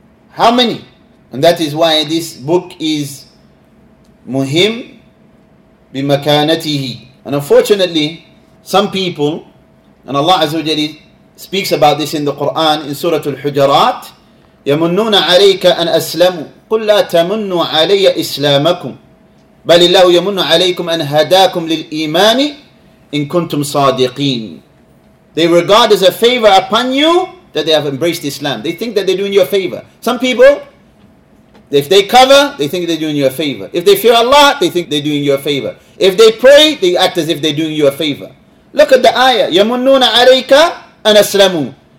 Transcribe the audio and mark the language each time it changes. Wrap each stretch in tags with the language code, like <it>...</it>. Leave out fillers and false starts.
<en>How many? And that is why this book is</en> <ar>مهم بمكانته.</ar> <en>And unfortunately, some people, and Allah Azza wa Jalla speaks about this in the Quran, in Surah Al-Hujurat,</en> <ar>يَمُنُّونَ عَلَيْكَ أَنْ أَسْلَمُوا قُلْ لَا تَمُنُّوا عَلَيَّ إِسْلَامَكُمْ بل الله يمن عليكم أن هداكم للإيمان إن كنتم صادقين.</ar> <en>They regard as a favor upon you that they have embraced Islam. They think that they're doing you a favor. Some people, if they cover, they think they're doing you a favor. If they fear Allah, they think they're doing you a favor. If they pray, they act as if they're doing you a favor. Look at the ayah.</en> <ar>يَمُنُّونَ عَلَيْكَ أَنْ أَسْلَمُوا.</ar>